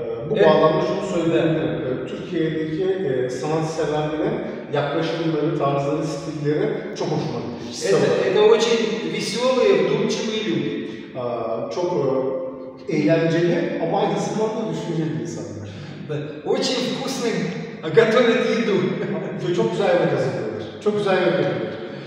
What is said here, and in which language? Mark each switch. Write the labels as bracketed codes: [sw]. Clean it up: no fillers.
[tr] Bu bağlamda şunu söyleyebilirim. Türkiye'deki sanat severlerine yaklaşımları, tarzları, stilleri çok hoşuma gitti. [ru] Это очень веселые, вдумчивые люди. [tr] Çok eğlenceli ama aynı zamanda düşünceli insanlar. [ru] Очень вкусно готовят еду. [tr] Çok güzel yemek hazırlıyorlar. Çok güzel yemek hazırlıyorlar.